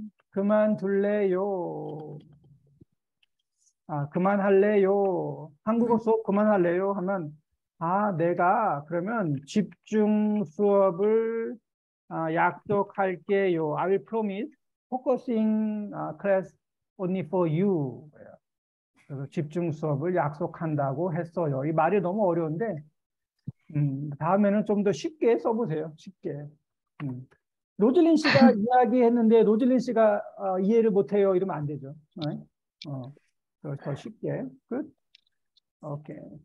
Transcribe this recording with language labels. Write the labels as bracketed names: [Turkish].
[Korean] 그만둘래요. 아, 그만할래요. 한국어 수업 그만할래요 하면 아, 내가 그러면 집중 수업을 약속할게요. [English] I will promise focusing class only for you. [Korean] 그래서 집중 수업을 약속한다고 했어요. 이 말이 너무 어려운데 다음에는 좀더 쉽게 써보세요. 쉽게. 로즐린 씨가 이야기했는데 로즐린 씨가 이해를 못해요. 이러면 안 되죠. 더 쉽게. 끝. 오케이.